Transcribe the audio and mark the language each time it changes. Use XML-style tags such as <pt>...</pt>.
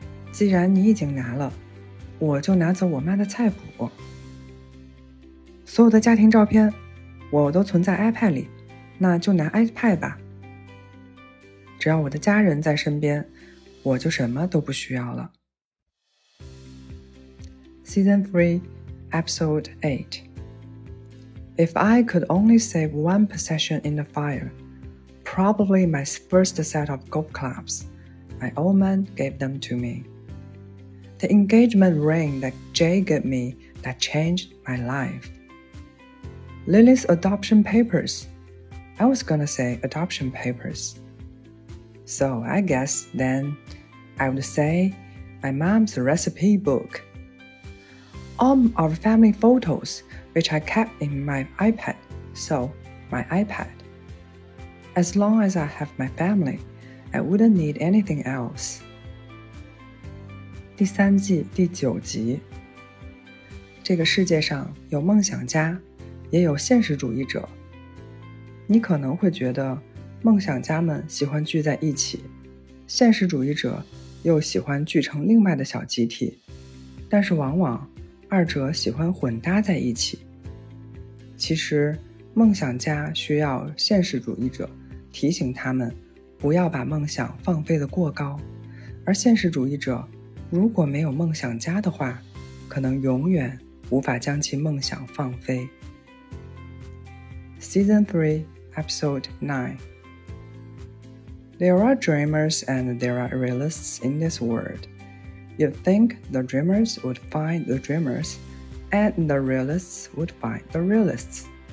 <zh>既然你已经拿了，我就拿走我妈的菜谱。所有的家庭照片我都存在 iPad 里，那就拿 iPad 吧。只要我的家人在身边，我就什么都不需要了。</zh> <en>Season 3 Episode 8 If I could only save one possession in the fire, probably my first set of golf clubs, my old man gave them to me. The engagement ring that Jay gave me that changed my life. Lily's adoption papers. I was gonna say adoption papers. So I guess then... I would say my mom's recipe book. All our family photos, which I kept in my iPad, so my iPad. As long as I have my family, I wouldn't need anything else.</en> <zh>第三季第九集。这个世界上有梦想家，也有现实主义者。你可能会觉得梦想家们喜欢聚在一起，现实主义者又喜欢聚成另外的小集体，但是往往二者喜欢混搭在一起。其实梦想家需要现实主义者提醒他们不要把梦想放飞得过高，而现实主义者如果没有梦想家的话，可能永远无法将其梦想放飞。</zh> <en>Season 3 Episode 9There are dreamers and there are realists in this world. You'd think the dreamers would find the dreamers, and the realists would find the realists.</en>